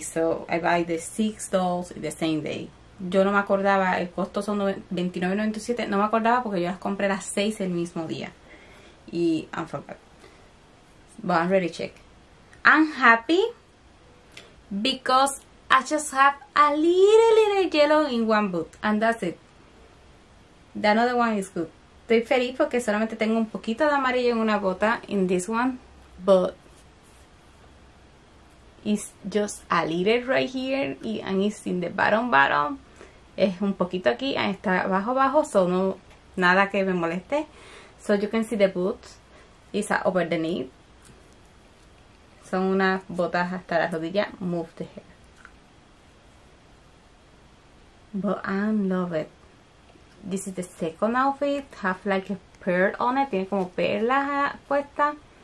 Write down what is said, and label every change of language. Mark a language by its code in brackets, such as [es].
[en] So I buy the 6 dolls in the same day. [es] Yo no me acordaba, el costo son $29.97. No me acordaba porque yo las compré las 6 el mismo día. [en] y I'm forgot. But I'm ready to check. I'm happy because I just have a little yellow in one boot, and that's it. The other one is good. [es] Estoy feliz porque solamente tengo un poquito de amarillo en una bota [en] in this one, but it's just a little right here, and it's in the bottom. [es] Es un poquito aquí, está abajo, so no, nada que me moleste. [en] So you can see the boots, it's over the knee. [es] Son unas botas hasta la rodilla, [en] move the hair. But I love it. This is the second outfit, have like a pearl on it, [es] tiene como perlas puestas.